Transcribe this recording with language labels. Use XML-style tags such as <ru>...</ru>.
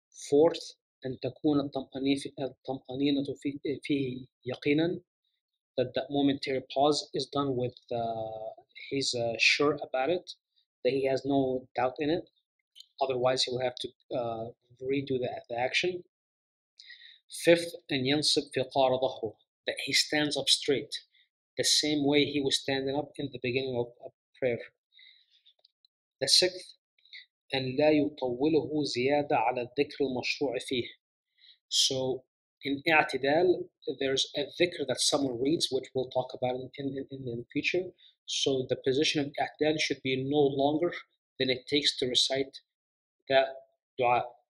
<en>Fourth,</en> <ar>أن تكون الطمأنينة فيه يقينا,</ar> <en>that momentary pause is done with he's sure about it, that he has no doubt in it, otherwise he will have to redo the action. Fifth,</en> <ar>أن ينصب في قار ظهره,</ar> <en>that he stands up straight, the same way he was standing up in the beginning of a prayer. The sixth,</en> <ar>أن لا يطوله زيادة على الذكر المشروع فيه.</ar> <en>So in اعتدال, there's a ذكر that someone reads, which we'll talk about in the future. So the position of اعتدال should be no longer than it takes to recite that dua.</en>